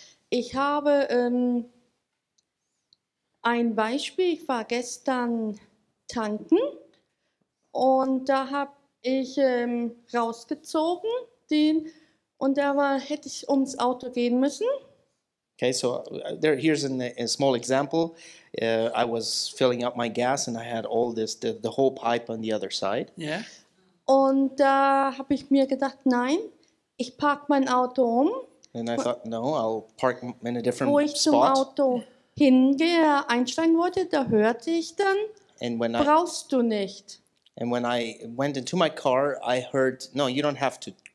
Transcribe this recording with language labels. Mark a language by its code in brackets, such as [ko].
[de] Ich habe ein Beispiel. Ich war gestern tanken und da habe ich rausgezogen den und da war hätte ich ums Auto gehen müssen. [en] Okay, so here's a small example. I was filling up my gas and I had all this, the whole pipe on the other side. Yeah. [de] Und da habe ich mir gedacht, nein, ich parke mein Auto um. [en] And I thought, no, I'll park in a different spot. [de] Wo ich [en] spot. [de] Zum Auto hingehe, einsteigen wollte, da hörte ich dann, brauchst du nicht. [en] And when I went into my car, I heard, no, you don't have to